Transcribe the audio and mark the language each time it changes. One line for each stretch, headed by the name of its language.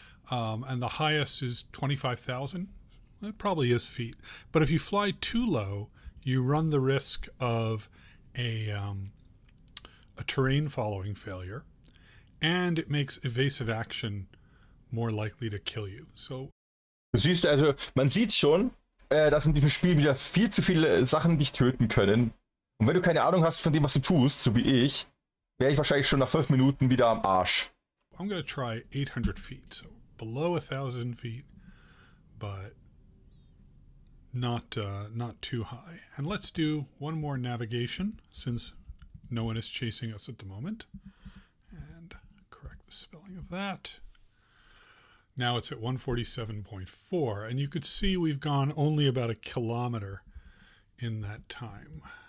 English: And the highest is 25,000. It probably is feet. But if you fly too low, you run the risk of a terrain following failure, and it makes evasive action more likely to kill you. So,
German: du siehst also, man sieht schon, dass in diesem Spiel wieder viel zu viele Sachen dich töten können. Und wenn du keine Ahnung hast von dem, was du tust, so wie ich, wäre ich wahrscheinlich schon nach 5 Minuten wieder am Arsch.
English: I'm gonna try 800 feet, so below 1,000 feet, but not too high. And let's do one more navigation, since no one is chasing us at the moment. And correct the spelling of that. Now it's at 147.4, and you could see we've gone only about a kilometer in that time.